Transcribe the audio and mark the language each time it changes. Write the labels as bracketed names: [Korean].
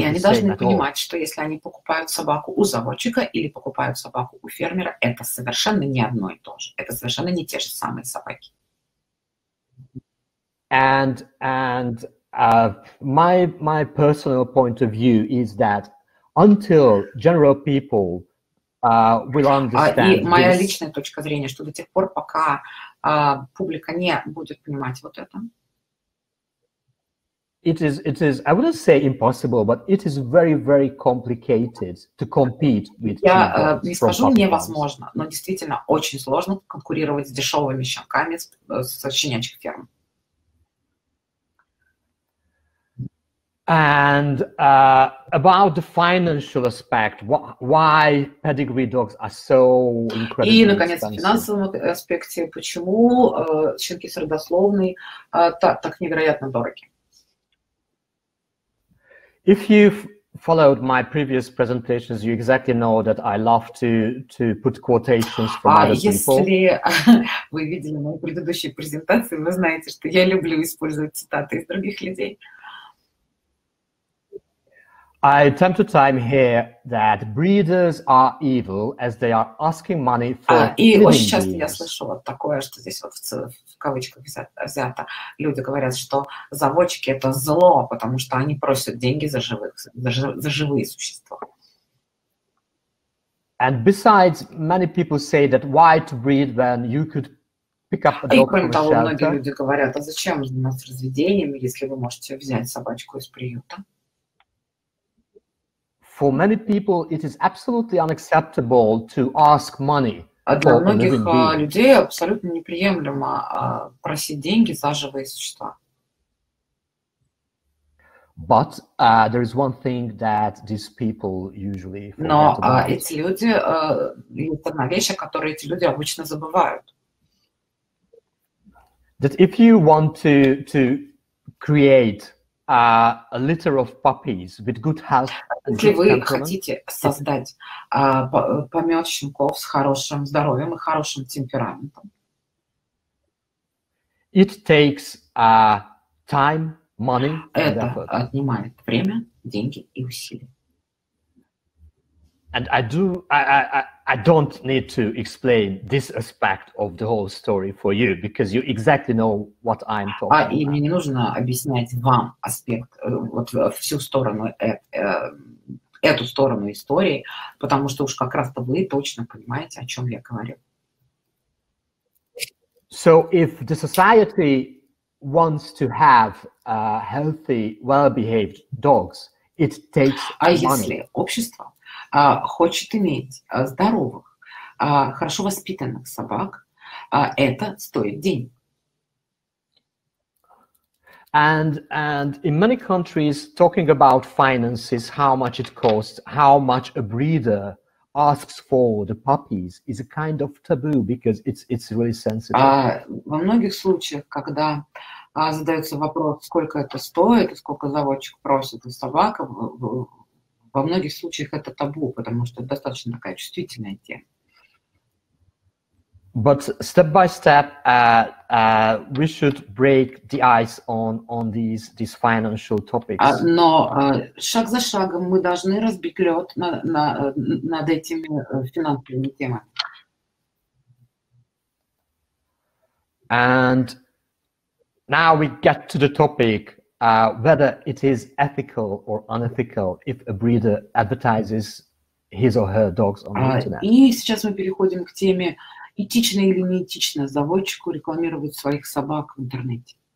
[Russian] И они должны понимать, что если они покупают собаку у заводчика или покупают собаку у фермера, это совершенно не одно и то же. Это совершенно не те же самые собаки. [English] And my personal point of view is that until general people will understand [Russian] И моя личная точка зрения, что до тех пор, пока публика не будет понимать вот это. [English] It is. I wouldn't say impossible, but it is very, very complicated to compete with. [Russian] Я не скажу невозможно, но действительно очень сложно конкурировать с дешевыми щенками со щенячьих ферм. [English] And about the financial aspect, why pedigree dogs are so incredibly expensive. [Russian] И, наконец, в финансовом аспекте, почему щенки с родословной так невероятно дороги. [English] If you've followed my previous presentations, you exactly know that I love to put quotations from other people. [Russian] Если вы видели мою предыдущую презентацию, вы знаете, что я люблю использовать цитаты из других людей. [English] I time to time hear that breeders are evil as they are asking money for breeding. [Russian] И очень часто я слышу вот такое, что здесь вот в кавычках взято. Люди говорят, что заводчики это зло, потому что они просят деньги за живые существа. [English] And besides, many people say that why to breed when you could pick up a dog from a shelter. [Russian] И кроме того, многие люди говорят, а зачем заниматься разведением, если вы можете взять собачку из приюта? [English] For many people, it is absolutely unacceptable to ask money for a living being. [Russian] Для многих людей абсолютно неприемлемо просить деньги за живые существа. [English] But there is one thing that these people usually forget [Russian] Но, [English] about. [Russian] Эти люди, есть одна вещь, о которой эти люди обычно забывают. [English] That if you want to create a litter of puppies with good health. [Russian] Если вы хотите создать помет щенков с хорошим здоровьем и хорошим темпераментом, [English] it takes time, money, [Russian] это отнимает время, деньги и усилия. [English] And I don't need to explain this aspect of the whole story for you because you exactly know what I'm talking about. [Russian] И мне не нужно объяснять вам аспект вот всю сторону эту сторону истории, потому что уж как раз-то вы точно понимаете, о чем я говорю. [English] So if the society wants to have healthy, well-behaved dogs, it takes money. [Russian] Если общество хочет иметь здоровых, хорошо воспитанных собак, это стоит денег. [English] And in many countries, talking about finances, how much it costs, how much a breeder asks for the puppies is a kind of taboo because it's really sensitive. [Russian] Во многих случаях, когда задается вопрос, сколько это стоит, сколько заводчик просит у собак, во многих случаях это табу, потому что это достаточно такая чувствительная тема. [English] But step by step, we should break the ice on these financial topics. [Russian] Но шаг за шагом мы должны разбить лед над этими финансовыми темами. [English] And now we get to the topic, whether it is ethical or unethical if a breeder advertises his or her dogs on the internet. [Russian] И сейчас мы переходим к теме. Этично или неэтично заводчику рекламировать своих собак в интернете?